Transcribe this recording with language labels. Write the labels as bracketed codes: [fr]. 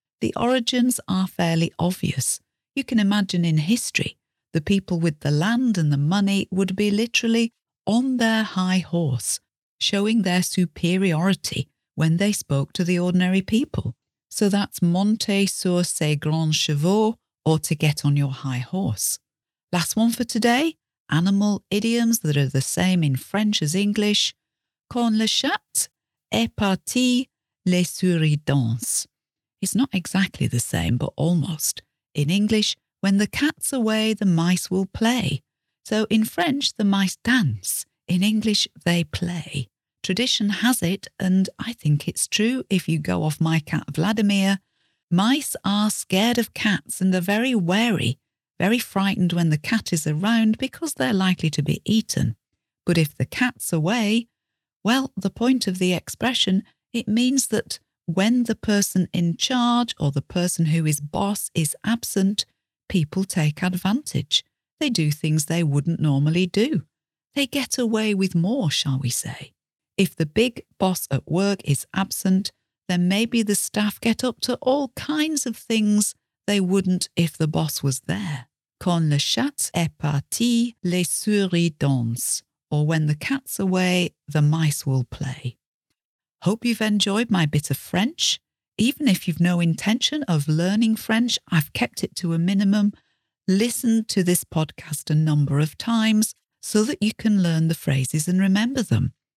[en] The origins are fairly obvious. You can imagine in history, the people with the land and the money would be literally on their high horse, showing their superiority when they spoke to the ordinary people. So that's [fr] monter sur ses grands chevaux, [en] or to get on your high horse. Last one for today, animal idioms that are the same in French as English. [fr] Quand le chat est parti, les souris dansent. [en] It's not exactly the same, but almost. In English, when the cat's away, the mice will play. So in French, the mice dance. In English, they play. Tradition has it, and I think it's true if you go off my cat Vladimir, mice are scared of cats and are very wary. Very frightened when the cat is around because they're likely to be eaten. But if the cat's away, well, the point of the expression, it means that when the person in charge or the person who is boss is absent, people take advantage. They do things they wouldn't normally do. They get away with more, shall we say. If the big boss at work is absent, then maybe the staff get up to all kinds of things they wouldn't if the boss was there. [fr] Quand le chat est parti, les souris dansent. [en] Or when the cat's away, the mice will play. Hope you've enjoyed my bit of French. Even if you've no intention of learning French, I've kept it to a minimum. Listen to this podcast a number of times so that you can learn the phrases and remember them.